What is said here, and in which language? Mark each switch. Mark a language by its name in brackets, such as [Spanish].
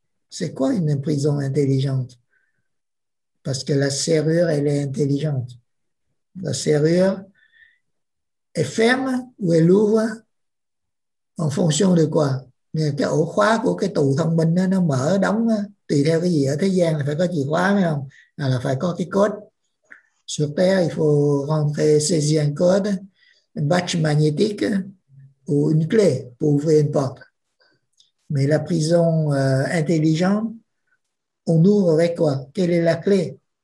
[French] C'est quoi une prison intelligente? Parce que la serrure, elle est intelligente. La serrure est ferme ou elle ouvre en fonction de quoi? [Vietnamese] Cái ổ khóa của cái tù thông minh đó, nó mở đóng đó, tùy theo cái gì ở thế gian là phải có chìa khóa phải không? À, là phải có cái code. [French] Sur Terre, il faut rentrer saisir un code, un badge magnétique ou une clé pour ouvrir une porte. Mais la prison intelligente, on ouvre avec quoi? Quelle est la clé?